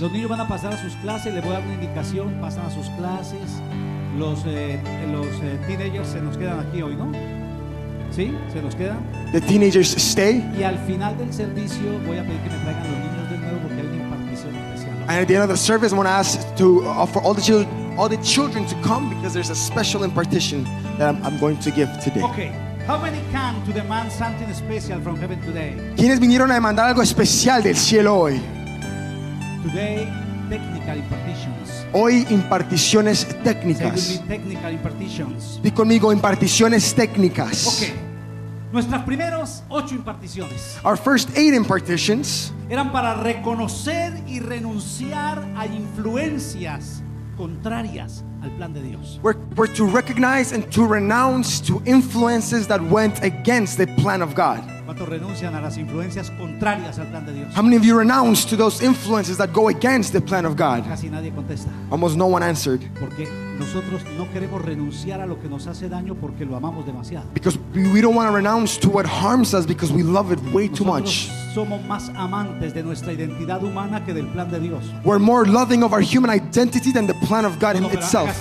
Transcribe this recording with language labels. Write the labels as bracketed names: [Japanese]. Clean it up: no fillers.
[Spanish] Los niños van a pasar a sus clases. Les voy a dar una indicación. Pasan a sus clases. Los teenagers se nos quedan aquí hoy, ¿no? Sí, se nos quedan. [English] The teenagers stay. [Spanish] Y al final del servicio voy a pedir que me traigan los niños de nuevo porque hay una impartición especial. [English] And at the end of the service, I'm going to ask to offer all the children to come because there's a special impartition that I'm going to give today. Okay. How many came to demand something special from heaven today? [Spanish] ¿Quiénes vinieron a demandar algo especial del cielo hoy? [English] Today, technical impartitions. [Spanish] Hoy imparticiones técnicas. [English] Technical impartitions. [Spanish] Di conmigo imparticiones técnicas. Okay. Nuestras primeras 8 imparticiones. [English] Our first 8 impartitions. [Spanish] Eran para reconocer y renunciar a influencias contrarias al plan de Dios. [English] We're to recognize and to renounce to influences that went against the plan of God. [Spanish] ¿Cuántos renuncian a las influencias contrarias al plan de Dios? [English] How many of you renounce to those influences that go against the plan of God? [Spanish] Casi nadie contesta. [English] Almost no one answered. [Spanish] Porque nosotros no queremos renunciar a lo que nos hace daño porque lo amamos demasiado. [English] Because we don't want to renounce to what harms us because we love it way too much. [Spanish] Somos más amantes de nuestra identidad humana que del plan de Dios. [English] We're more loving of our human identity than the plan of God itself.